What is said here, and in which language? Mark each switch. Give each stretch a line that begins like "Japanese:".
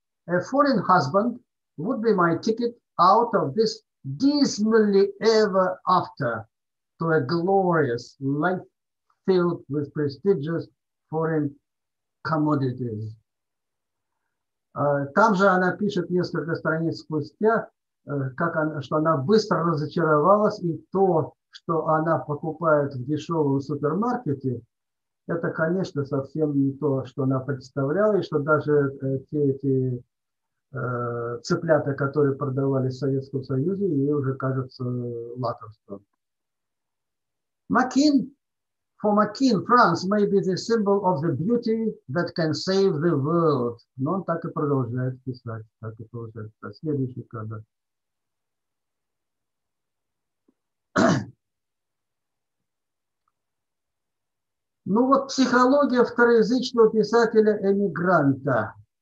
English: A foreign husband would be my ticket out of this dismally ever after to a glorious life filled with prestigious foreign commodities.
Russian: Там же она пишет несколько страниц спустя, что она быстро разочаровалась, и то, что она покупает в дешевом супермаркете, это, конечно, совсем не то, что она представляла, и что даже те цыплята, которые продавались в Советском Союзе, ей уже кажется лакомством.
English: Makin, for Makin, France may be the symbol of the beauty that can save the world.
Russian: Но он так и продолжает писать, так и продолжает. А следующий кадр. Ну вот психология второязычного писателя-эмигранта.